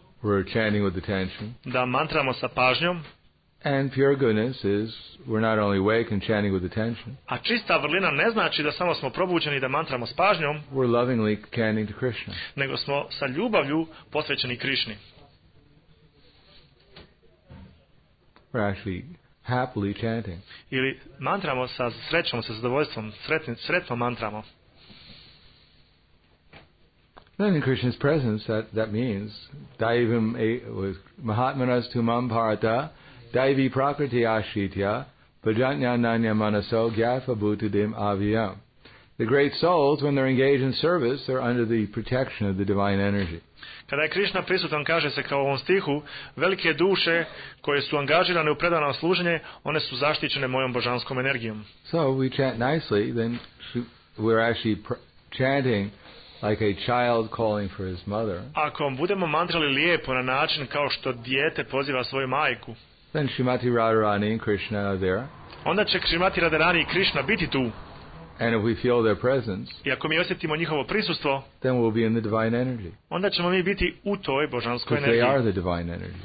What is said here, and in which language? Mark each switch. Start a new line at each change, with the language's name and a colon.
English: we're chanting with attention,
Bosnian: da mantramo sa pažnjom.
English: And pure goodness is we're not only awake and chanting with attention.
Bosnian: A čista vrlina ne znači da samo smo probuđeni da mantramo s pažnjom.
English: We're lovingly chanting to Krishna.
Bosnian: Nego smo sa ljubavlju posvećeni Krishni.
English: We're actually happily chanting.
Bosnian: Ili mantramo sa srećom, sa zadovoljstvom, sretno mantramo.
English: Then in Krishna's presence that means
Sanskrit: daivam mahatmanas tumam bharata. Daivi prakriti ashitya bhajanya nanya manaso gyatva bhutadim aviyam.
English: The great souls, when they're engaged in service, they're under the protection of the divine energy.
Bosnian: Kada je Krishna prisutan, kaže se kao u ovom stihu, velike duše koje su angažirane u predano služenje, one su zaštićene mojom božanskom energijom.
English: So we chant nicely, then we're actually chanting like a child calling for his mother,
Bosnian: ako budemo mantrali lijepo na način kao što dijete poziva svoju majku,
English: then Srimati Radharani and Krishna are there.
Bosnian: Onda će Srimati Radharani i Krishna biti tu.
English: And if we feel their presence,
Bosnian: i ako mi osjetimo njihovo prisustvo,
English: then we'll be in the divine energy.
Bosnian: Onda ćemo mi biti u toj božanskoj energiji.
English: They are the divine energy.